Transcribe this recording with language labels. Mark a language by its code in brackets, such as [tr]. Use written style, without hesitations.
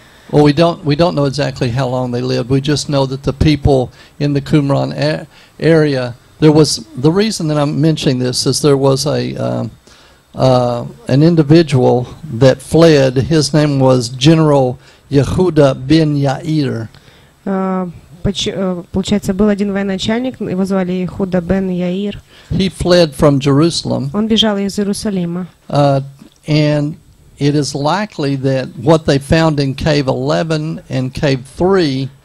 [en] Well, we don't know exactly how long they lived. We just know that the people in the Qumran area, there was the reason that I'm mentioning this is there was an individual that fled. His name was General Yehuda ben Yair. [ru] Получается, был один военачальник, его звали Худа бен Яир. [en] He fled from Jerusalem. [ru] Он бежал из Иерусалима. [en] And it is likely that what they found in cave 11 and cave 3